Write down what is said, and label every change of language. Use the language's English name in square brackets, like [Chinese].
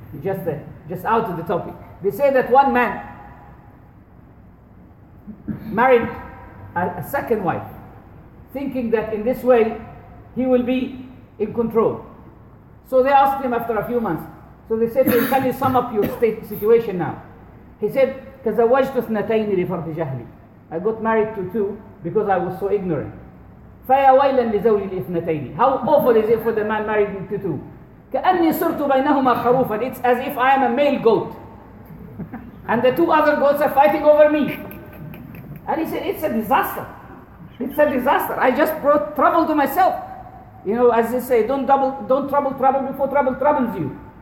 [English] Just out of the topic. They say that one man married a second wife, thinking that in this way he will be in control. So they asked him after a few months. So they said to him, can you sum up your situation now? [Arabic] He said, تزوجت اثنتين لفرط جهلي. [English] I got married to two because I was so ignorant. [Arabic] فيا ويلا لزوجي الاثنتين. [English] How awful is it for the man married to two? [Arabic] كأني صرت بينهما خروفا. [English] It's as if I am a male goat. And the two other goats are fighting over me. And he said, it's a disaster. It's a disaster. I just brought trouble to myself. You know, as they say, don't trouble trouble before trouble troubles you.